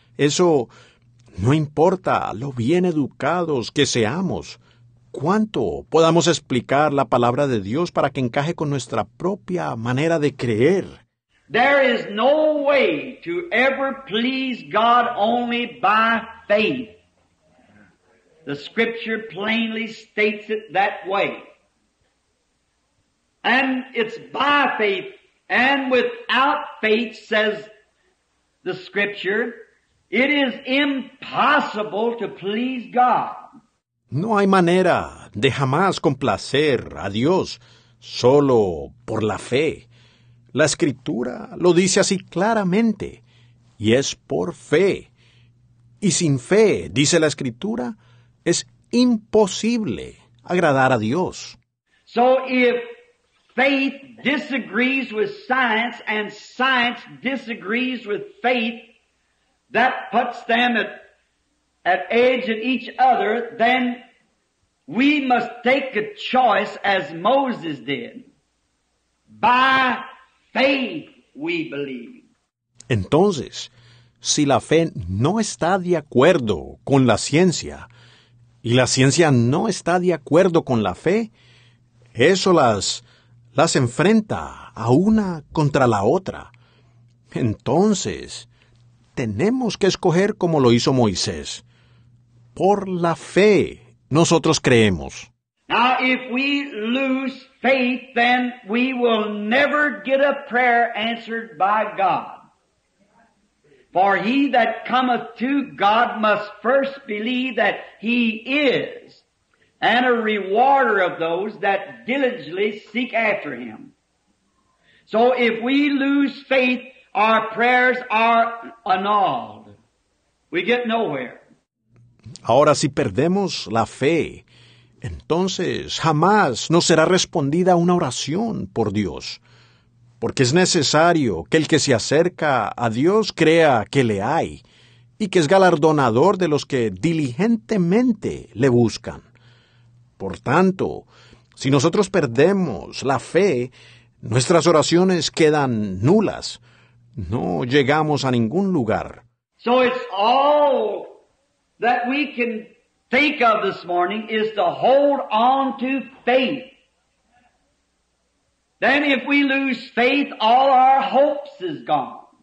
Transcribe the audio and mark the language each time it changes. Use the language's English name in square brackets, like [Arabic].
[Spanish] Eso no importa lo bien educados que seamos, cuánto podamos explicar la palabra de Dios para que encaje con nuestra propia manera de creer. [English] There is no way to ever please God only by faith. The scripture plainly states it that way. And it's by faith and without faith, says the scripture, it is impossible to please God. [Spanish] No hay manera de jamás complacer a Dios solo por la fe. La escritura lo dice así claramente, y es por fe. Y sin fe, dice la escritura, es imposible agradar a Dios. [English] So if faith disagrees with science and science disagrees with faith, that puts them at edge at each other, then we must take a choice as Moses did. By faith we believe. [Spanish] Entonces, si la fe no está de acuerdo con la ciencia, y la ciencia no está de acuerdo con la fe, eso las enfrenta a una contra la otra. Entonces, tenemos que escoger como lo hizo Moisés. Por la fe, nosotros creemos. [English] Now, if we lose faith, then we will never get a prayer answered by God. For he that cometh to God must first believe that he is, and a rewarder of those that diligently seek after him. So if we lose faith, our prayers are annulled. We get nowhere. [Spanish] Ahora, si perdemos la fe, entonces jamás nos será respondida una oración por Dios, porque es necesario que el que se acerca a Dios crea que le hay y que es galardonador de los que diligentemente le buscan. Por tanto, si nosotros perdemos la fe, nuestras oraciones quedan nulas. No llegamos a ningún lugar. [English] So it's all that we can think of this morning is to hold on to faith. Then if we lose faith, all our hopes is gone.